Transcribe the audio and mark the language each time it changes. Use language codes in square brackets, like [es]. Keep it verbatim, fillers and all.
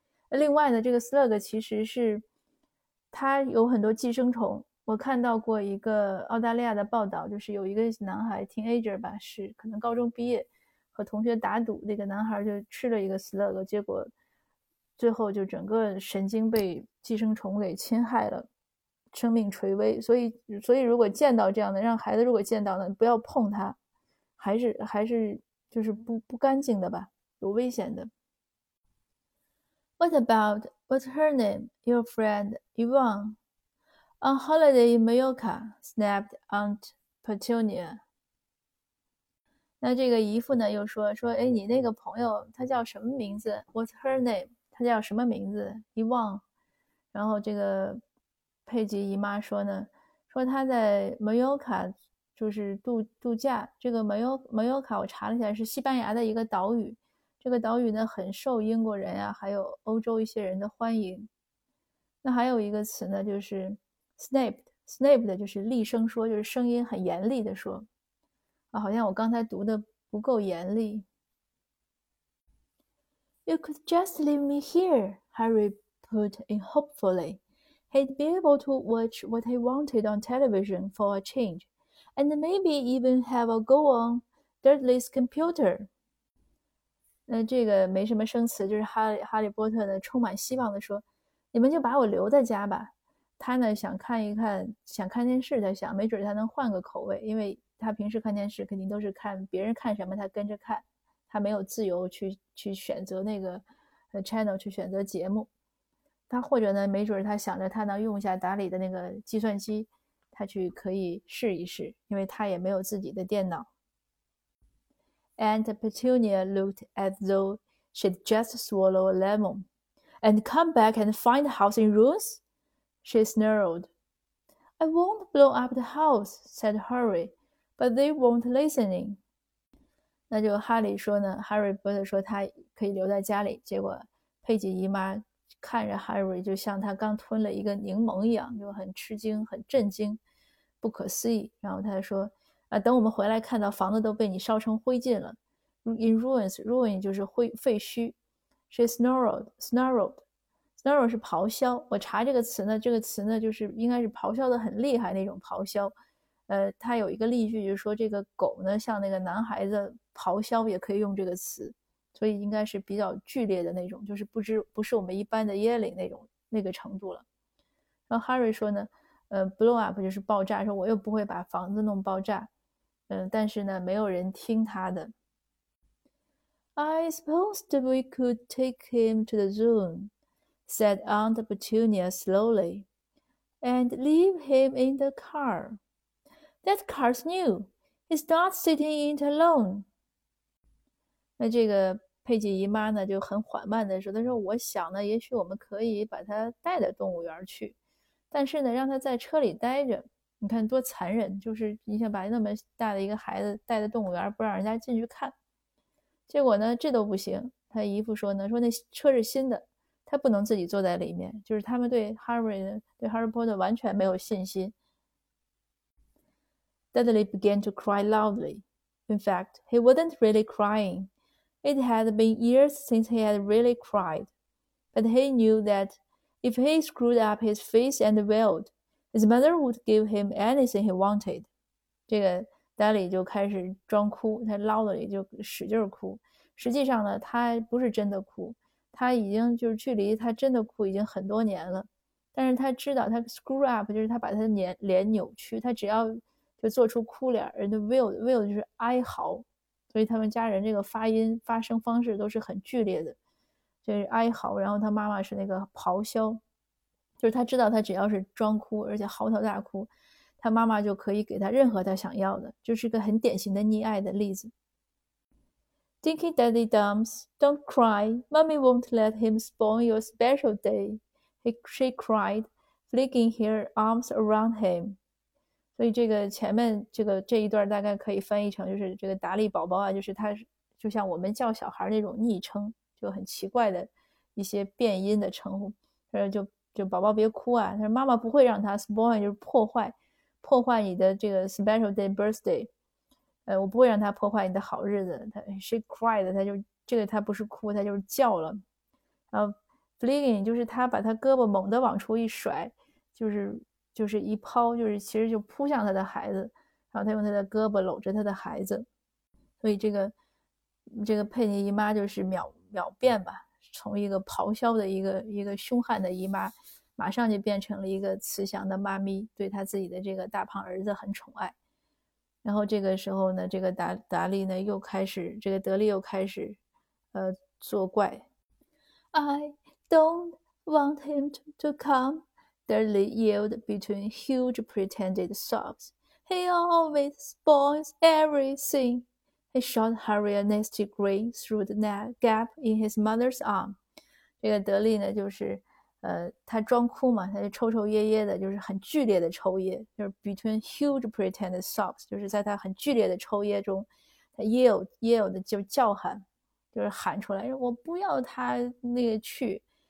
[zh] 另外呢，这个 slug 其实是它有很多寄生虫，我看到过一个澳大利亚的报道，就是有一个男孩 teenager 吧，是可能高中毕业，和同学打赌，那个男孩就吃了一个 slug， 结果最后就整个神经被寄生虫给侵害了，生命垂危。所以所以如果见到这样的，让孩子如果见到呢，不要碰它，还是还是就是不不干净的吧，有危险的。 [en] What about, what's her name, your friend, Yvonne? On holiday in Mallorca, snapped Aunt Petunia. [zh] 那这个姨父呢又说说哎，你那个朋友她叫什么名字？ [en] What's her name? [zh] 她叫什么名字？Yvonne. 然后这个佩吉姨妈说呢，说她在 Mallorca 就是度度假。这个 Mallorca 我查了一下是西班牙的一个岛屿，这个岛屿呢很受英国人啊还有欧洲一些人的欢迎。那还有一个词呢就是 snap snap 的就是厉声说，就是声音很严厉的说啊，好像我刚才读的不够严厉。 [en] You could just leave me here, Harry put in hopefully. He'd be able to watch what he wanted on television for a change, and maybe even have a go on Dudley's computer. [zh] 那这个没什么生词，就是哈利哈利波特呢充满希望的说：“你们就把我留在家吧。” 他呢想看一看，想看电视，他想没准他能换个口味，因为他平时看电视肯定都是看别人看什么他跟着看，他没有自由去去选择那个 channel 去选择节目。他或者呢没准他想着他能用一下打理的那个计算机，他去可以试一试，因为他也没有自己的电脑。 [en] Aunt Petunia looked as though she'd just swallowed a lemon. And come back and find the house in ruins? She snarled. I won't blow up the house, said Harry, but they won't listening. [zh] 那就哈利说呢，哈利波特说他可以留在家里，结果佩吉姨妈看着 Harry 就像他刚吞了一个柠檬一样，就很吃惊很震惊不可思议。然后他说啊，等我们回来看到房子都被你烧成灰烬了。 [en] In ruins [zh] ruin 就是灰废墟。 [en] She snarled [zh] snarled snarled 是咆哮，我查这个词呢，这个词呢就是应该是咆哮的很厉害那种咆哮。呃，他有一个例句就是说这个狗呢像那个男孩子咆哮，也可以用这个词，所以应该是比较剧烈的那种，就是不知不是我们一般的耶灵那种那个程度了。然后 Harry 说呢，呃 blow up 就是爆炸，说我又不会把房子弄爆炸，嗯，但是呢没有人听他的。 [en] I suppose that we could take him to the zoo, said Aunt Petunia slowly, and leave him in the car. That car's new. He's not sitting in it alone. [zh] 那这个佩吉姨妈呢就很缓慢的说，她说我想呢也许我们可以把她带到动物园去，但是呢让她在车里待着，你看多残忍，就是你想把那么大的一个孩子带到动物园，不让人家进去看。结果呢这都不行，她姨父说呢，说那车是新的，她不能自己坐在里面，就是他们对 Harry 对 Harry Potter 完全没有信心。 [en] Dudley began to cry loudly. In fact, he wasn't really crying. It had been years since he had really cried, but he knew that if he screwed up his face and wailed, his mother would give him anything he wanted. [zh] 这个 Dudley 就开始装哭，他唠叨里就使劲哭。实际上呢，他不是真的哭，他已经就是距离他真的哭已经很多年了。但是他知道他 screw up 就是他把他的脸脸扭曲，他只要就做出哭脸，人的 wail wail 就是哀嚎。所以他们家人这个发音发声方式都是很剧烈的，就是哀嚎，然后他妈妈是那个咆哮，就是他知道他只要是装哭而且嚎啕大哭，他妈妈就可以给他任何他想要的，就是一个很典型的溺爱的例子。 [en] Dinky Daddy Dums, don't cry. Mommy won't let him spoil your special day. He, she cried, flinging her arms around him. [zh] 所以这个前面这个这一段大概可以翻译成就是这个达利宝宝啊，就是他就像我们叫小孩那种昵称，就很奇怪的一些变音的称呼。他说就就宝宝别哭啊，他说妈妈不会让他 spoil 就是破坏破坏你的这个 special day birthday。呃，我不会让他破坏你的好日子。他 [en] she cried， [zh] 他就这个他不是哭，他就是叫了。然后 flinging 就是他把他胳膊猛地往出一甩，就是就是一抛，就是其实就扑向他的孩子。然后他用他的胳膊搂着他的孩子。所以这个这个佩妮姨妈就是秒秒变吧，从一个咆哮的一个一个凶悍的姨妈，马上就变成了一个慈祥的妈咪，对他自己的这个大胖儿子很宠爱。然后这个时候呢，这个达达利呢又开始，这个德利又开始，呃，作怪。 [en] I don't want him to, to come. Dudley yelled between huge pretended sobs. He always spoils everything. He shot Harry a nasty grin through the gap in his mother's arm. [zh] 这个德利呢，就是呃，他装哭嘛，他就抽抽噎噎的，就是很剧烈的抽噎，就是 [en] between huge pretended sobs， [zh] 就是在他很剧烈的抽噎中，他 yell yell 的就叫喊，就是喊出来，我不要他那个去。